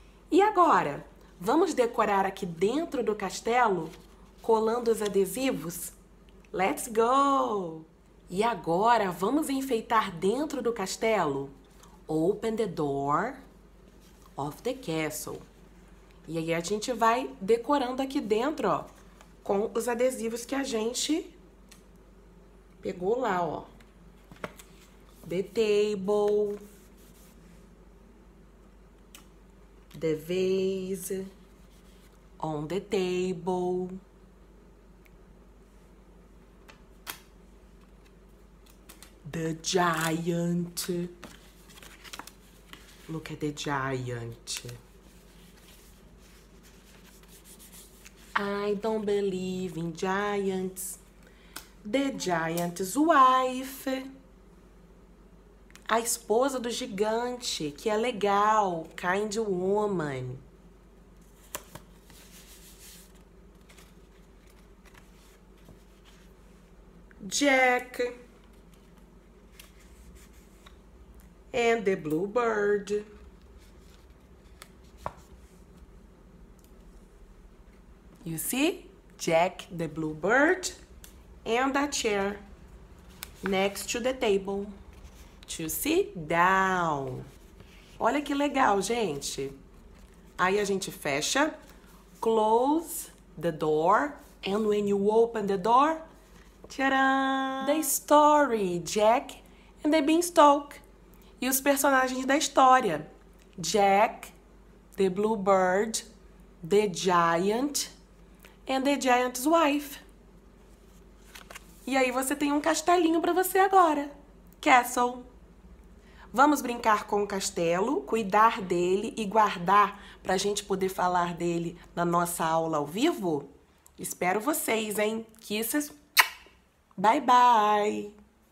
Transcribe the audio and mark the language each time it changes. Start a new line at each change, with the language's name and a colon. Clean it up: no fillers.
Portuguese: E agora, vamos decorar aqui dentro do castelo, colando os adesivos? Let's go! E agora vamos enfeitar dentro do castelo.
English: Open the door of the castle.
Portuguese: E aí a gente vai decorando aqui dentro, ó, com os adesivos que a gente pegou lá, ó.
English: The table, the vase on the table. The giant. Look at the giant. I don't believe in giants. The giant's wife.
Portuguese: A esposa do gigante, que é legal,
English: kind woman. Jack. And the bluebird. You see? Jack, the bluebird, and a chair next to the table to sit down. Olha que legal, gente. Aí a gente fecha. Close the door. And when you open the door, tcharam! The story, Jack and the Beanstalk.
Portuguese: E os personagens da história.
English: Jack, the bluebird, the giant, and the giant's wife.
Portuguese: E aí você tem um castelinho para você agora. Castle. Vamos brincar com o castelo, cuidar dele e guardar para a gente poder falar dele na nossa aula ao vivo? Espero vocês, hein?
English: Kisses. Bye, bye.